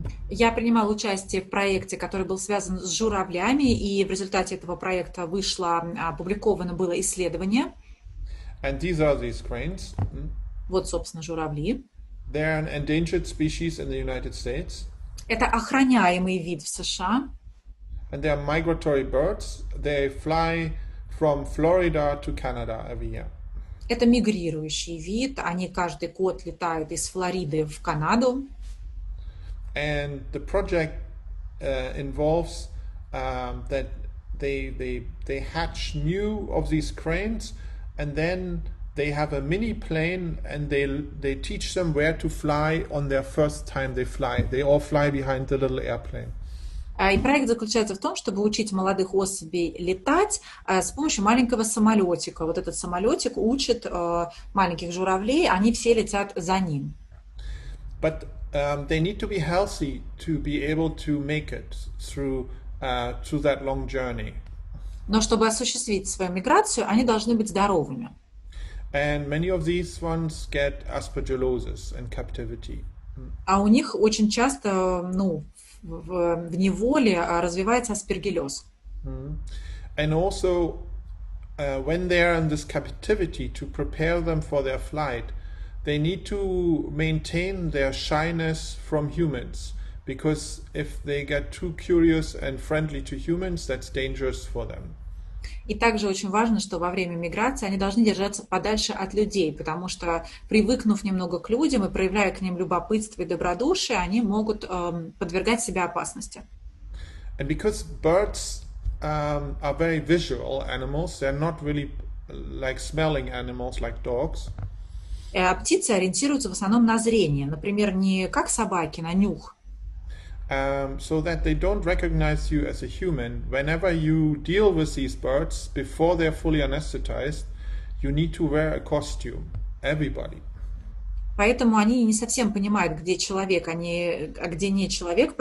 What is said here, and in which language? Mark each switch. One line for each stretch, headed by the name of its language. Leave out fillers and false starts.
Russian: Я принимала участие в проекте, который был связан с журавлями, и в результате этого проекта вышло, опубликовано было исследование.
English: And these are these cranes.
Russian: Вот, собственно, журавли.
English: They're an endangered species in the United States.
Russian: Это охраняемый вид в США.
English: And they are migratory birds. They fly from Florida to Canada every year.
Russian: Это мигрирующий вид. Они каждый год летают из Флориды в Канаду.
English: And the project involves that they hatch new of these cranes, and then they have a mini plane, and they teach them where to fly on their first time they fly. They all fly behind the little airplane.
Russian: И проект заключается в том, чтобы учить молодых особей летать с помощью маленького самолетика. Вот этот самолетик учит маленьких журавлей, они все летят за ним.
English: But they need to be healthy to be able to make it through that long journey.
Russian: Но чтобы осуществить свою миграцию, они должны быть здоровыми.
English: And many of these ones get aspergillosis in captivity.
Russian: А у них очень часто, ну, в неволе развивается аспергиллез.
English: And also, when they are in this captivity, to prepare them for their flight, they need to maintain their shyness from humans, because if they get too curious and friendly to humans, that's dangerous for them.
Russian: И также очень важно, что во время миграции они должны держаться подальше от людей, потому что, привыкнув немного к людям и проявляя к ним любопытство и добродушие, они могут подвергать себя опасности.
English: And because birds are very visual animals, they're not really like smelling animals like dogs.
Russian: А птицы ориентируются в основном на зрение, например, не как собаки, на нюх.
English: So that they don't recognize you as a human. Whenever you deal with these birds before they're fully anesthetized, you need to wear a costume. Everybody.
Russian: Поэтому они не совсем понимают, где человек, а где не человек.